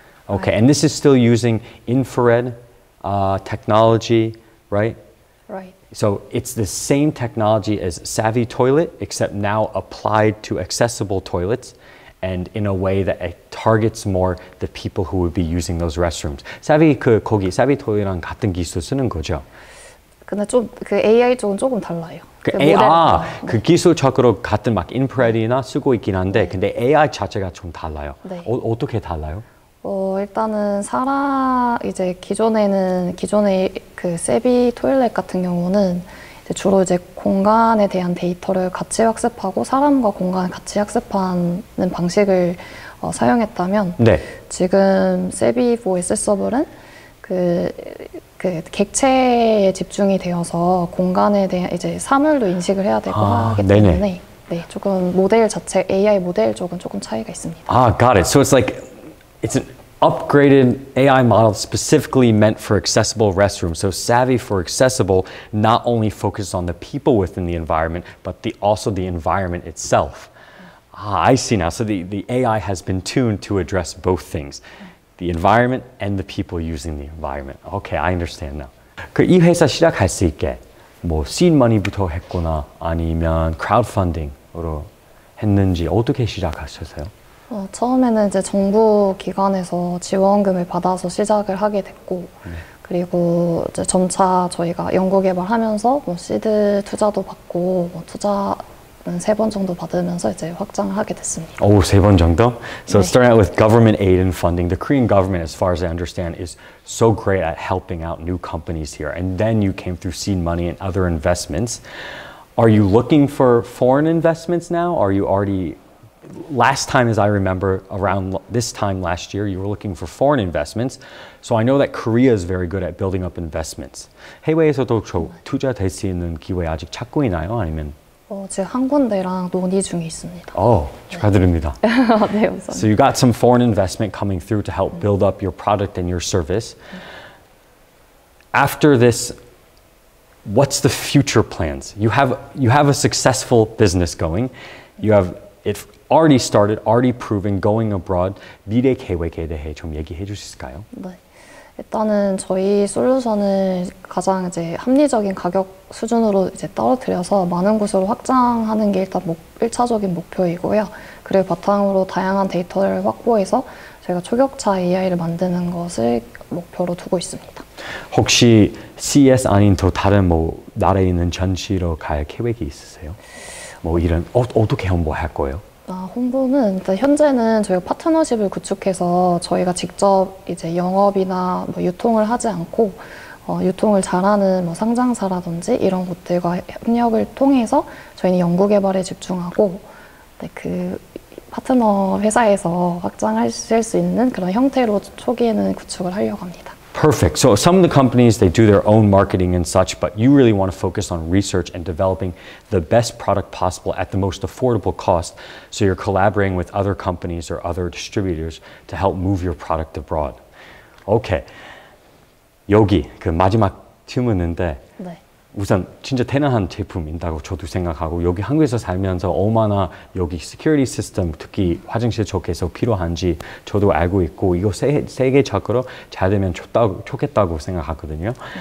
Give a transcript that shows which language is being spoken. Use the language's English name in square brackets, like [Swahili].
[English] Okay, right. And this is still using infrared technology, right? Right. So it's the same technology as Savvy Toilet, except now applied to accessible toilets and in a way that it targets more the people who would be using those restrooms. [Korean] Savvy 그 거기 Savvy Toilet이랑 같은 기술 쓰는 거죠? 근데 좀 그 AI 쪽은 조금 달라요. 그 AI 아, 네. 그 기술적으로 같은 막 인프레디나 쓰고 있긴 한데 네. 근데 AI 자체가 좀 달라요. 네. 어떻게 달라요? 일단은 이제 기존의 그 세비 토일렛 같은 경우는 이제 주로 이제 공간에 대한 데이터를 같이 학습하고 사람과 공간을 같이 학습하는 방식을 사용했다면 네. 지금 세비 4 Accessible은 그 객체에 집중이 되어서 공간에 대한 이제 사물도 인식을 해야 되고 하기 때문에 네, 조금 모델 자체 AI 모델 쪽은 조금 차이가 있습니다. [English] 아, got it. So it's like it's an upgraded AI model specifically meant for accessible restrooms. So savvy for accessible not only focuses on the people within the environment but the also the environment itself. Ah, I see now. So the AI has been tuned to address both things. The environment and the people using the environment. Okay, I understand now. [Korean] 그 이 회사 시작할 수 있게 뭐 [English] seed money [Korean] 부터 했거나 아니면 crowdfunding으로 했는지 어떻게 시작하셨어요? 어, 처음에는 이제 정부 기관에서 지원금을 받아서 시작을 하게 됐고 그리고 이제 점차 저희가 연구 개발하면서 뭐 시드 투자도 받고 뭐 투자 세 번 정도 받으면서 이제 확장을 하게 됐습니다. 오, 세 번 정도? So 네. [English] starting out with government aid and funding, the Korean government, as far as I understand, is so great at helping out new companies here. And then you came through seed money and other investments. Are you looking for foreign investments now? Are you already, last time as I remember, around this time last year, you were looking for foreign investments. So I know that Korea is very good at building up investments. [Korean] 해외에서도 투자 될 수 있는 기회 아직 찾고 있나요? 아니면? 어, 지금 한 군데랑 논의 중에 있습니다. 오, 축하드립니다. 네, 우선. [English] So you got some foreign investment coming through to help build up your product and your service. After this, what's the future plans? You have a successful business going. You have it already started, already proven, going abroad. [Korean] 미래 계획에 대해 좀 얘기해 주실까요? 네. 일단은 저희 솔루션을 가장 이제 합리적인 가격 수준으로 이제 떨어뜨려서 많은 곳으로 확장하는 게 일단 1차적인 목표이고요. 그를 바탕으로 다양한 데이터를 확보해서 저희가 초격차 AI를 만드는 것을 목표로 두고 있습니다. 혹시 CES 아닌 또 다른 뭐 나라에 있는 전시로 갈 계획이 있으세요? 뭐 이런 어떻게 홍보할 거예요? 아, 홍보는 일단 현재는 저희가 파트너십을 구축해서 저희가 직접 이제 영업이나 뭐 유통을 하지 않고 어, 유통을 잘하는 뭐 상장사라든지 이런 곳들과 협력을 통해서 저희는 연구개발에 집중하고 네, 그 파트너 회사에서 확장하실 수 있는 그런 형태로 초기에는 구축을 하려고 합니다. [English] Perfect. So some of the companies, they do their own marketing and such, but you really want to focus on research and developing the best product possible at the most affordable cost. So you're collaborating with other companies or other distributors to help move your product abroad. Okay. [Korean] 여기 그 마지막 질문인데 네. 우선 진짜 대단한 제품인다고 저도 생각하고 여기 한국에서 살면서 얼마나 여기 시큐리티 시스템 특히 화장실 쪽에서 필요한지 저도 알고 있고 이거 세계적으로 잘 되면 좋겠다고 생각하거든요.